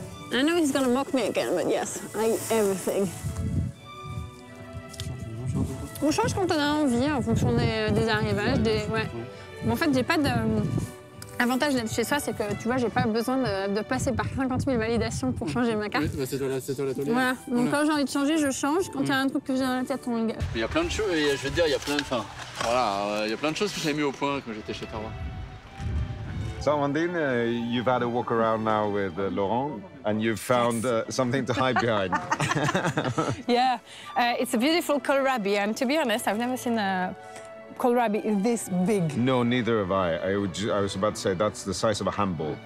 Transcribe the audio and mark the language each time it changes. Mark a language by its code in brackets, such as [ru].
[en] I know he's gonna mock me again, but yes, I eat everything. [fr] On change quand on a envie, en fonction des arrivages, des... Ouais. Bon, en fait, j'ai pas de... L'avantage d'être chez soi, c'est que, tu vois, j'ai pas besoin de passer par 50 000 validations pour changer ma carte. Oui, c'est toi là. Voilà. Donc voilà. Quand j'ai envie de changer, je change. Quand il y a un truc que j'ai dans la tête, on le gâte. Il y a plein de choses, je vais te dire, il y a plein de... Enfin, voilà, il y a plein de choses que j'ai mis au point quand j'étais chez toi. [en] So, Amandine, you've had a walk around now with Laurent, and you've found something to hide behind. Yeah, it's a beautiful kohlrabi, and to be honest, I've never seen a kohlrabi this big. No, neither have I. I was about to say, that's the size of a handball.